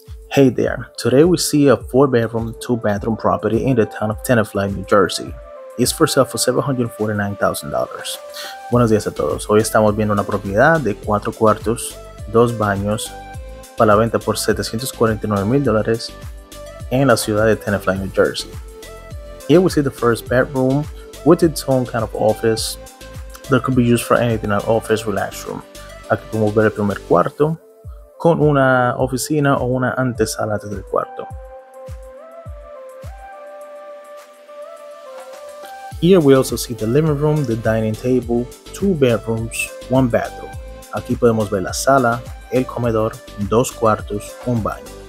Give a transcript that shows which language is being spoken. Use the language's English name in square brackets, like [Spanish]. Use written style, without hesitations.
[English] Hey there, today we see a 4-bedroom, 2-bathroom property in the town of Tenafly, New Jersey. It's for sale for $749,000. [Spanish] Buenos días a todos. Hoy estamos viendo una propiedad de 4 cuartos, 2 baños, para la venta por $749,000 en la ciudad de Tenafly, New Jersey. [English] Here we see the first bedroom with its own kind of office that could be used for anything, an office relax room. [Spanish] Aquí podemos ver el primer cuarto con una oficina o una antesala desde el cuarto. [English] Here we also see the living room, the dining table, 2 bedrooms, 1 bathroom. [Spanish] Aquí podemos ver la sala, el comedor, 2 cuartos, 1 baño.